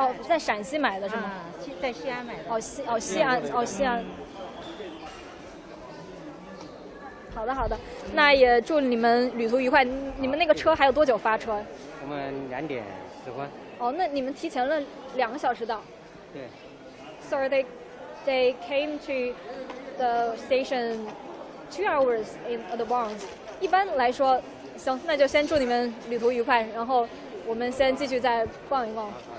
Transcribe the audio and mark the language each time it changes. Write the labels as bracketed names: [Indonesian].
[Chinese] 在陕西买的是吗？在西安买的。西安。好的好的，那也祝你们旅途愉快。你们那个车还有多久发车？我们2:10。那你们提前了2个小时到。对。 [English] So they came to the station 2 hours in advance. [Chinese] 一般来说，行，那就先祝你们旅途愉快，然后我们先继续再逛一逛。